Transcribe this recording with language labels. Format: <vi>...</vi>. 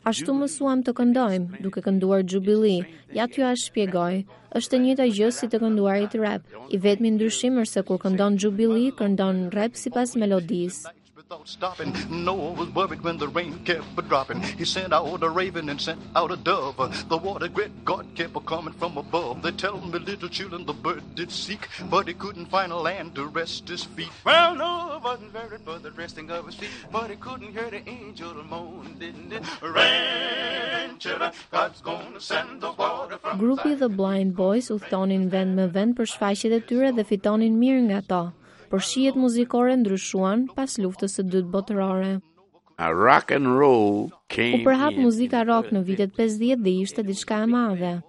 <sq>Ashtu mësuam të këndojmë duke kënduar Jubilee. Ja t'ju a shpjegoj. Është e njëjta gjë si të kënduarit rap. I vetmi ndryshim është se kur këndon Jubilee, këndon rap sipas melodisë.</sq> <en>Thought stopping, Noah was worried when the rain kept a dropping. He sent out a raven and sent out a dove. The water great God kept a coming from above. They tell me little children the bird did seek, but he couldn't find a land to rest his feet. Well, Noah wasn't worried for the resting of his feet, but he couldn't hear the angel moan, didn't it? Rain, children, God's gonna send the water from.</en> <sq>Grupi The Blind Boys u thonin vend me vend për shfaqjet e tyre dhe fitonin mirë nga to. Por shijet muzikore ndryshuan pas luftës së dytë botërore.</sq> <en>Rock and roll came.</en> <sq>U përhap muzika rock në vitet 50 dhe ishte diçka e madhe.</sq>